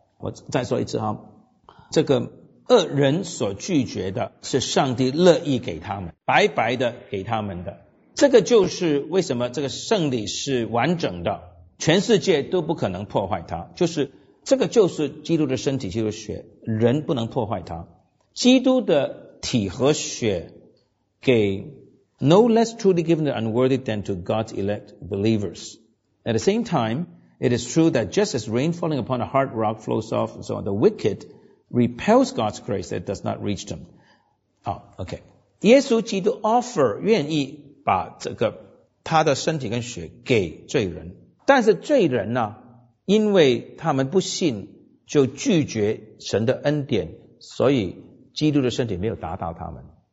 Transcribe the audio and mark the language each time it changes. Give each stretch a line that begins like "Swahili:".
Chinese: 我再说一次啊，这个恶人所拒绝的是上帝乐意给他们，白白的给他们的。这个就是为什么这个圣礼是完整的，全世界都不可能破坏它，就是这个就是基督的身体基督的血，人不能破坏它。基督的体和血给
English: no less truly given the unworthy than to God's elect believers. At the same time, it is true that just as rain falling upon a hard rock flows off and so on, the wicked repels God's grace that does not reach them. Oh, okay.
Chinese: 耶稣基督 offer 愿意把这个他的身体跟血给罪人，但是罪人呢，因为他们不信，就拒绝神的恩典，所以基督的身体没有达到他们。